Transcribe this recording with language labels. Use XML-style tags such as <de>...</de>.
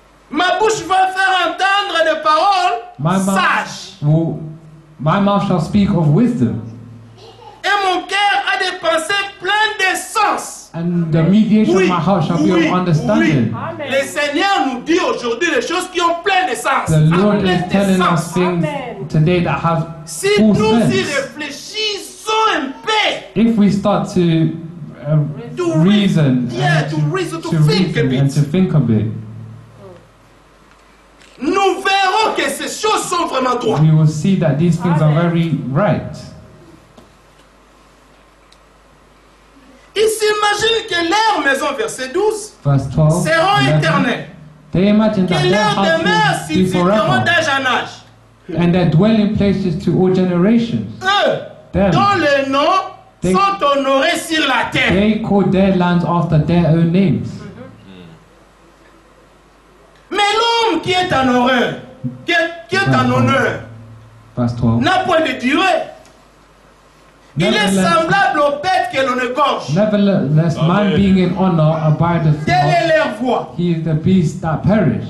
<fr>Ma bouche va faire entendre des paroles sages.</fr> <en>My mouth shall speak of wisdom.</en> <fr>Et mon cœur a des pensées pleines de sens.</fr> <en>And the mediation of my heart shall be of understanding.</en> <fr>Le Seigneur nous dit aujourd'hui les choses qui ont plein de sens.</fr> <en>The Lord is telling us things today that have full sense.</en> <fr>Si nous y réfléchissons un peu,</fr> <en>if we start to reason, to think a bit,</en> <fr>nous verrons que ces choses sont vraiment droites.</fr> <en>We will see that these things are very right.</en> <fr>Ils s'imaginent que leur maison, verset 12,</fr> <en>verse 12,</en> <fr>seront éternelles. Que leur demeure subsisteront d'âge en âge.</fr> <en>And their dwelling places to all generations.</en> <fr>Eux, dont le nom sont honorés sur la terre.</fr> <en>They call their lands after their own names.</en> <fr>Mais l'homme qui est en honneur, qui est en honneur,</fr> <en>verse 12,</en> <fr>n'a point de durée. Il est semblable aux bêtes que l'on égorge.</fr> <en>Nevertheless, man being in honor abideth not.</en> <fr>Telle est leur voix.</fr> <en>He is the beast that perish.</en>